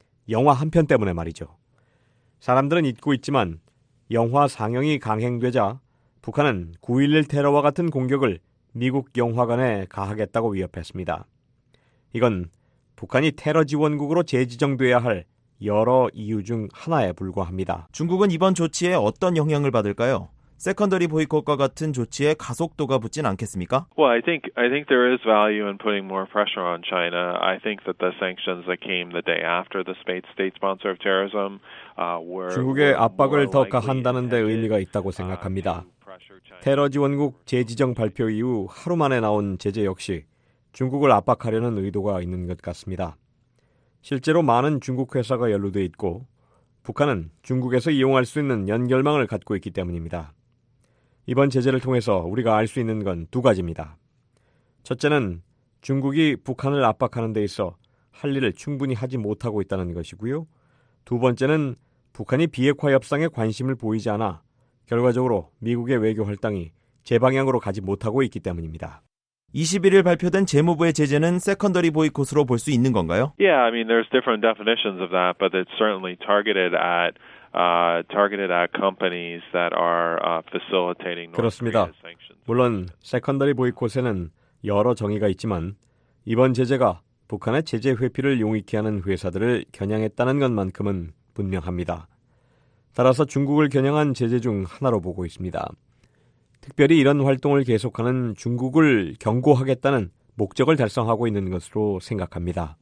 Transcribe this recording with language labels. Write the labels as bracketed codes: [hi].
[ko] 영화 한 편 때문에 말이죠. 사람들은 잊고 있지만 영화 상영이 강행되자 북한은 9.11 테러와 같은 공격을 미국 영화관에 가하겠다고 위협했습니다. 이건 북한이 테러 지원국으로 재지정돼야 할 여러 이유 중 하나에 불과합니다. 중국은 이번 조치에 어떤 영향을 받을까요? 세컨더리 보이콧과 같은 조치에 가속도가 붙진 않겠습니까? [en] Well, I think there is value in putting more pressure on China. I think that the sanctions that came the day after the state sponsor of terrorism were [ko] 중국의 압박을 더 가한다는 데 의미가 있다고 생각합니다. 테러 지원국 재지정 발표 이후 하루 만에 나온 제재 역시 중국을 압박하려는 의도가 있는 것 같습니다. 실제로 많은 중국 회사가 연루돼 있고 북한은 중국에서 이용할 수 있는 연결망을 갖고 있기 때문입니다. 이번 제재를 통해서 우리가 알 수 있는 건 두 가지입니다. 첫째는 중국이 북한을 압박하는 데 있어 할 일을 충분히 하지 못하고 있다는 것이고요. 두 번째는 북한이 비핵화 협상에 관심을 보이지 않아 결과적으로 미국의 외교 활동이 제 방향으로 가지 못하고 있기 때문입니다. 21일 발표된 재무부의 제재는 세컨더리 보이콧으로 볼 수 있는 건가요? [en] Yeah, I mean there's different definitions of that, but it's certainly targeted at companies that are facilitating North Korea's sanctions. [ko] 물론 세컨더리 보이콧에는 여러 정의가 있지만 이번 제재가 북한의 제재 회피를 용이케 하는 회사들을 겨냥했다는 것만큼은 분명합니다. 따라서 중국을 겨냥한 제재 중 하나로 보고 있습니다. 특별히 이런 활동을 계속하는 중국을 경고하겠다는 목적을 달성하고 있는 것으로 생각합니다.